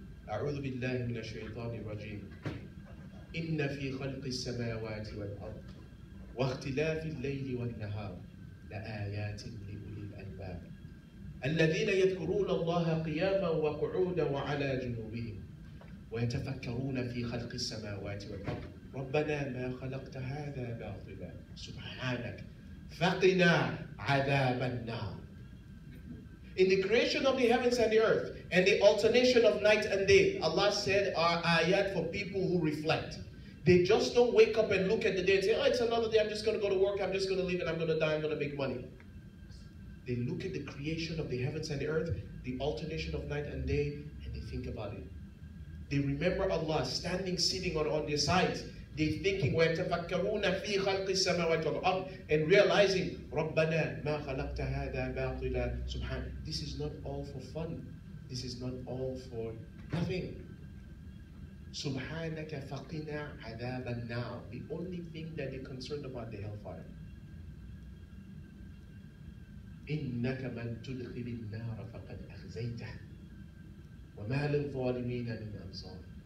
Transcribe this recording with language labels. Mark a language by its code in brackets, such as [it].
[ar] أعوذ بالله من الشيطان الرجيم إن في خلق السماوات والأرض واختلاف الليل والنهار لآيات لأولي الألباب الذين يذكرون الله قياما وقعودا وعلى جنوبهم ويتفكرون في خلق السماوات والأرض ربنا ما خلقت هذا باطلا سبحانك فقنا عذاب النار. [en] In the creation of the heavens and the earth and the alternation of night and day, Allah said our ayat for people who reflect. They just don't wake up and look at the day and say, oh, it's another day, I'm just going to go to work, I'm just going to leave and I'm going to die, I'm going to make money. They look at the creation of the heavens and the earth, the alternation of night and day, and they think about it. They remember Allah standing, sitting on their sides. [ar] They're thinking, وَيَتَفَكَّرُونَ فِي خَلْقِ السَّمَاوَاتِ وَالْأَرْضِ and realizing, رَبَّنَا مَا خَلَقْتَ هَذَا بَاطِلًا سُبْحَانَ. [en] This is not all for fun. This is not all for nothing. [ar] سُبْحَانَكَ فَقِنَا عَذَابَ النَّارِ. [en] The only thing that they're concerned about, the hellfire. [ar] إِنَّكَ مَنْ تُدْخِلِ النَّارَ فَقَدْ أَخْزَيْتَهَا وَمَا لِلظَّالِمِينَ مِنْ أَنصَارٍ.